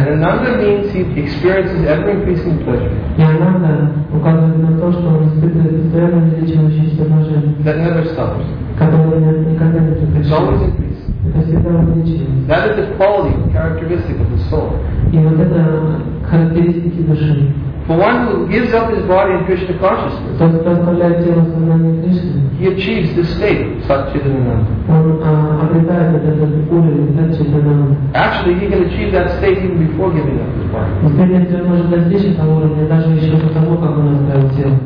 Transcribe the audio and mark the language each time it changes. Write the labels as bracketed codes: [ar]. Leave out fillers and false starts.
[en] And ananda means he experiences ever increasing pleasure. [ru] И ананда указывает на то, что он испытывает постоянно увеличивающееся блаженство. [en] That never stops. [ru] Которое никогда не прекращается. Это всегда увеличивается. [en] That is the quality, characteristic of the soul. [ru] И вот это характеристики души. [en] For one who gives up his body in Krishna consciousness, he achieves this state, Satchitananda. Actually, he can achieve that state even before giving up his body.